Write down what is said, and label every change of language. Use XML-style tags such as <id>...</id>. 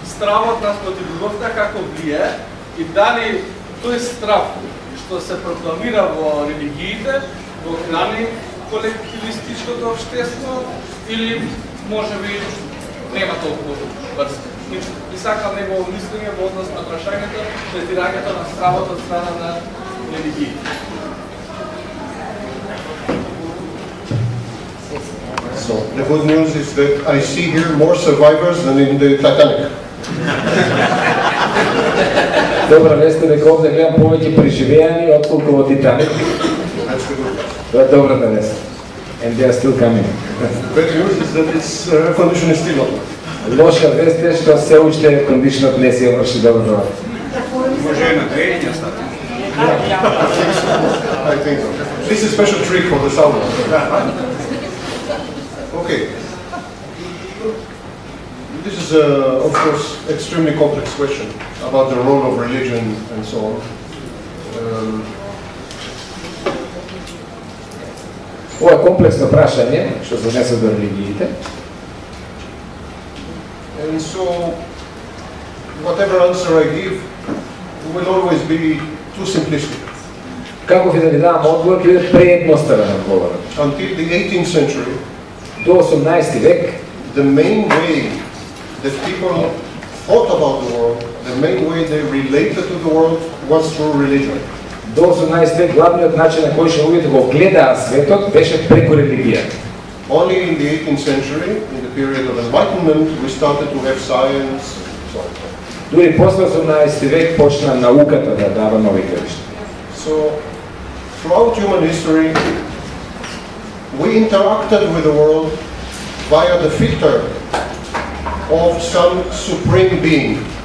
<mk>стравот нас против љубовта, како влие, и дали тој страв, што се прокламира во религиите, во храни колективистичкото обштество, или може би нема толку брз. И сакам него мислење во однос на прашањето, третирањето на стравот од страна на религиите.</mk> <en>So, the good news is that I see here more survivors than in the Titanic.</en> <mk>Добра веста дека овде гледам повеќе преживеани отколку во Титаник. Тоа е добра веста.</mk> <en>And they are still coming. Bad news is that its condition is still on.</en> <mk>Лоша веста е што се уште кондишнот не се врши добро. Може и на трејање остати.</mk> <en>This is a special trick for the sauna. Okay. This is, of course, extremely complex question about the role of religion and so on.</en> <mk>Ова е комплексно прашање што се однесе до религиите.</mk> <en>And so, whatever answer I give will always be too simplistic.</en> <mk>Како ќе ви дам одговор, ќе биде преедноставен одговор.</mk> <en>Until the 18th century,</en> <mk>до 18 век,</mk> <en>the main way that people thought about the world, the main way they related to the world was through religion.</en> <mk>До 18 век главниот начин на кој што луѓето го гледаа светот беше преку религија.</mk> <en>Only in the 18th century, in the period of Enlightenment, we started to have science.</en> <mk>Дури после 18 век почна науката да дава нови клучиња.</mk> <en>So, throughout human history, we interacted with the world via the filter of some supreme being.</en>